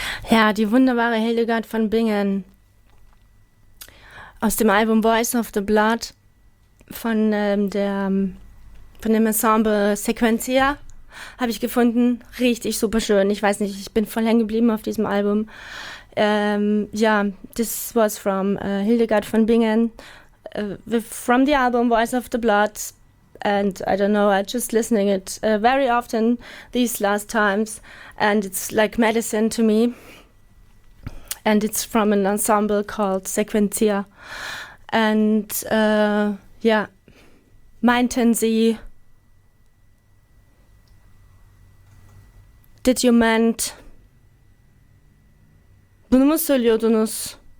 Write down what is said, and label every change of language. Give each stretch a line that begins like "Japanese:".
German: Ja, die wunderbare Hildegard von Bingen aus dem Album Voice of the Blood von dem Ensemble Sequentia habe ich gefunden. Richtig super schön. Ich weiß nicht, ich bin voll hängen geblieben auf diesem Album.
English: Ja, this was from Hildegard von Bingen. From the album Voice of the Blood. And I don't know, I'm just listening it very often these last times. And it's like medicine to me. And it's from an ensemble called Sequentia. And ja,
German: meinten sie,
English: did you meant,
Turkish: bunu mu söylüyordunuz?